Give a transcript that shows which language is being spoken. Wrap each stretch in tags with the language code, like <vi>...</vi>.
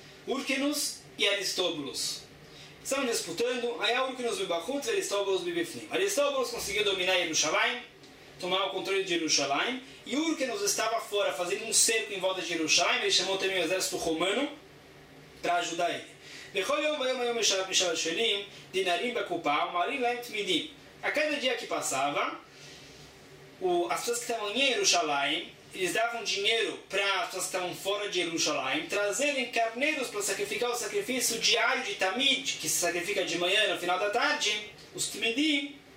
<pt>Úrquenos e Aristóbulos. Estavam disputando, aí é Úrquenos Bibachut e Aristóbulos Bibifnim. Aristóbulos conseguiu dominar Yerushalayim, tomar o controle de Yerushalayim, e Úrquenos estava fora, fazendo um cerco em volta de Yerushalayim, ele chamou também o exército romano para ajudar ele.</pt> <he>בכל יום ויום היום משלח משל השלים, דינרים בקופה, ומעלים להם תמידים.</he> <pt>Cada dia que passava, as pessoas que estavam em Jerusalém, eles davam dinheiro para as pessoas que estavam fora de Jerusalém, trazerem carneiros para sacrificar o sacrifício diário de tamid, que se sacrifica de manhã no final da tarde, os tmidim.</pt>